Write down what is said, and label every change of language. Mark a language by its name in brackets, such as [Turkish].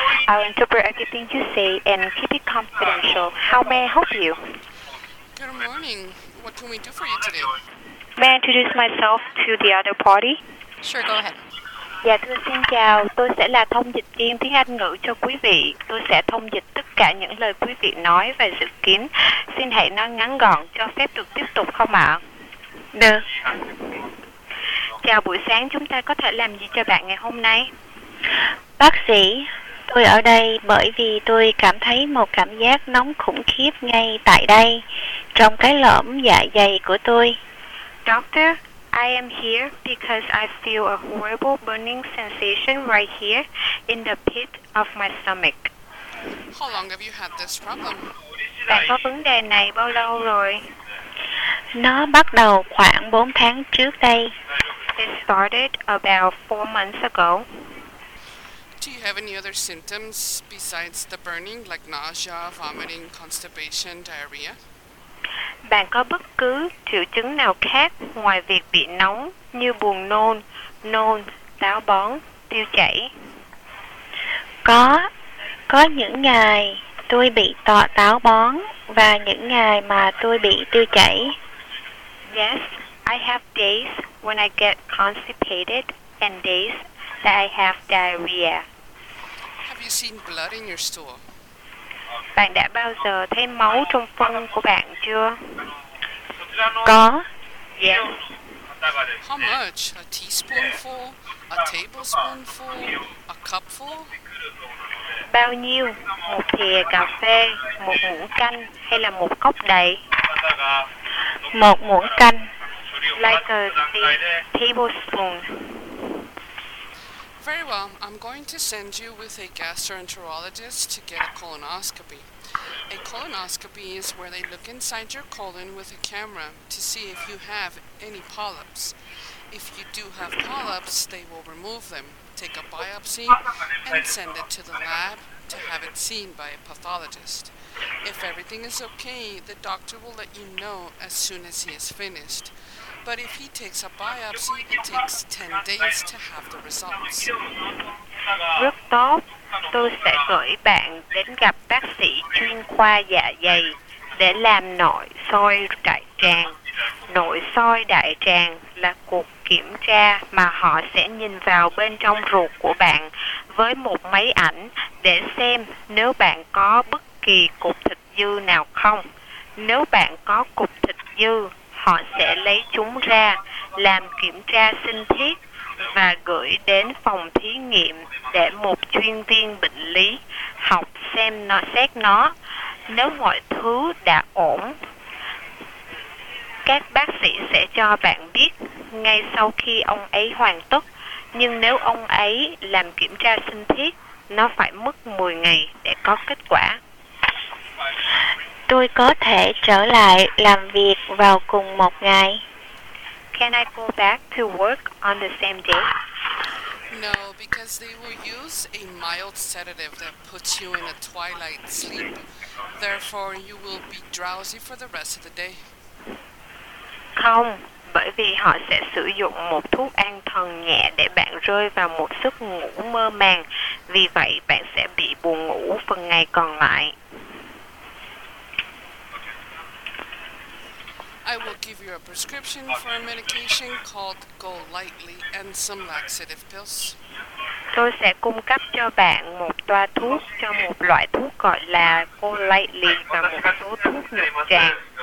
[English] I will interpret everything you say and keep it confidential. How may I help you? Good morning. What can we do for you today? May I introduce myself to the other party? Sure, go ahead. [Vietnamese] Dạ, thưa xin chào. Tôi sẽ là thông dịch viên tiếng Anh ngữ cho quý vị. Tôi sẽ thông dịch tất cả những lời quý vị nói và dự kiến. Xin hãy nói ngắn gọn cho phép được tiếp tục không ạ? Được. Chào, buổi sáng chúng ta có thể làm gì cho bạn ngày hôm nay? Bác sĩ, tôi ở đây bởi vì tôi cảm thấy một cảm giác nóng khủng khiếp ngay tại đây, trong cái lõm dạ dày của tôi. [English] Doctor, I am here because I feel a horrible burning sensation right here in the pit of my stomach. How long have you had this problem? [Vietnamese] Bạn có vấn đề này bao lâu rồi? Nó bắt đầu khoảng 4 tháng trước đây. [English] It started about 4 months ago. Do you have any other symptoms besides the burning, like nausea, vomiting, constipation, diarrhea? [Vietnamese] Bạn có bất cứ triệu chứng nào khác ngoài việc bị nóng như buồn nôn, nôn, táo bón, tiêu chảy? Có những ngày tôi bị táo bón và những ngày mà tôi bị tiêu chảy. [English] Yes, I have days when I get constipated and days that I have diarrhea. Have you seen blood in your stool? [Vietnamese] Bạn đã bao giờ thấy máu trong phân của bạn chưa? Có. [English] Yes. How much? A teaspoonful? A tablespoonful? A cupful? [Vietnamese] Bao nhiêu? Một thìa cà phê, một muỗng canh hay là một cốc đầy? Một muỗng canh. [English] Like a tablespoon. Very well. I'm going to send you with a gastroenterologist to get a colonoscopy. A colonoscopy is where they look inside your colon with a camera to see if you have any polyps. If you do have polyps, they will remove them, take a biopsy, and send it to the lab to have it seen by a pathologist. If everything is okay, the doctor will let you know as soon as he is finished. But if he takes a biopsy, it takes 10 days to have the results. [Vietnamese] Rất tốt. Tôi sẽ gửi bạn đến gặp bác sĩ chuyên khoa dạ dày để làm nội soi đại tràng. Nội soi đại tràng là cuộc kiểm tra mà họ sẽ nhìn vào bên trong ruột của bạn với một máy ảnh để xem nếu bạn có bất kỳ cục thịt dư nào không. Nếu bạn có cục thịt dư, họ sẽ lấy chúng ra làm kiểm tra sinh thiết và gửi đến phòng thí nghiệm để một chuyên viên bệnh lý học xem nó, xét nó. Nếu mọi thứ đã ổn, các bác sĩ sẽ cho bạn biết ngay sau khi ông ấy hoàn tất. Nhưng nếu ông ấy làm kiểm tra sinh thiết, nó phải mất 10 ngày để có kết quả. Tôi có thể trở lại làm việc vào cùng một ngày. [English] Can I go back to work on the same day? No, because they will use a mild sedative that puts you in a twilight sleep. Therefore, you will be drowsy for the rest of the day. [Vietnamese] Không, bởi vì họ sẽ sử dụng một thuốc an thần nhẹ để bạn rơi vào một giấc ngủ mơ màng. Vì vậy, bạn sẽ bị buồn ngủ phần ngày còn lại. [English] I will give you a prescription for a medication called Go Lightly and some laxative pills. [Vietnamese] Tôi sẽ cung cấp cho bạn một toa thuốc cho một loại thuốc gọi là Go Lightly và một số thuốc nhuận tràng.